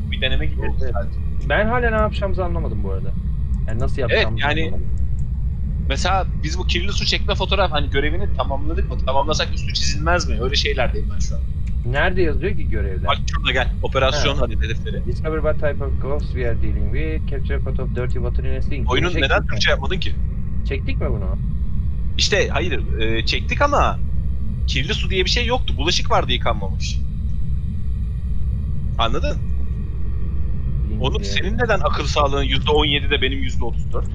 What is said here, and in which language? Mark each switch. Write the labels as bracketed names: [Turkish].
[Turkish] Bir deneme gibi. Evet. Ben hala ne yapacağımızı anlamadım bu arada. Yani nasıl yapacağımızı evet, yani anlamadım. Mesela biz bu kirli su çekme fotoğraf hani görevini tamamladık mı? Tamamlasak üstü çizilmez mi? Öyle şeylerdeyim ben şu an. Nerede yazıyor ki görevde? Bak şurada gel. Operasyon hadi hedefleri. [English] Discover what type of gloves we are dealing with. Capture a photo of dirty water in a sink. [Turkish] Oyunun neden Türkçe yapmadın ki? Çektik mi bunu? İşte hayır. Çektik ama kirli su diye bir şey yoktu. Bulaşık vardı yıkanmamış. Anladın? Onur senin neden akıl sağlığın %17 de benim %34?